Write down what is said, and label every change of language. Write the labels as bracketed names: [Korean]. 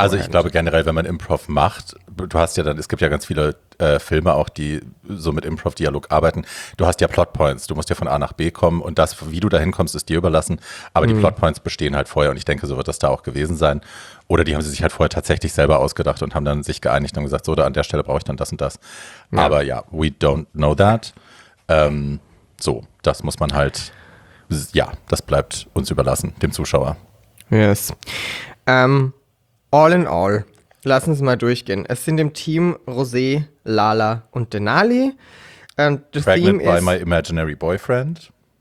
[German] Also ich glaube generell, wenn man Improv macht, du hast ja dann, es gibt ja ganz viele Filme auch, die so mit Improv-Dialog arbeiten, du hast ja Plotpoints, du musst ja von A nach B kommen und das, wie du da hinkommst, ist dir überlassen, aber die Plotpoints bestehen halt vorher und ich denke, so wird das da auch gewesen sein. Oder die haben sie sich halt vorher tatsächlich selber ausgedacht und haben dann sich geeinigt und gesagt, so, da an der Stelle brauche ich dann das und das. Ja. Aber ja, [English] we don't know that. [German] So, das muss man halt, ja, das bleibt uns überlassen, dem Zuschauer. [English] Yes. All in all, [German] lass uns mal durchgehen. Es sind im Team Rosé, Lala und Denali. Pregnant theme by is my imaginary boyfriend.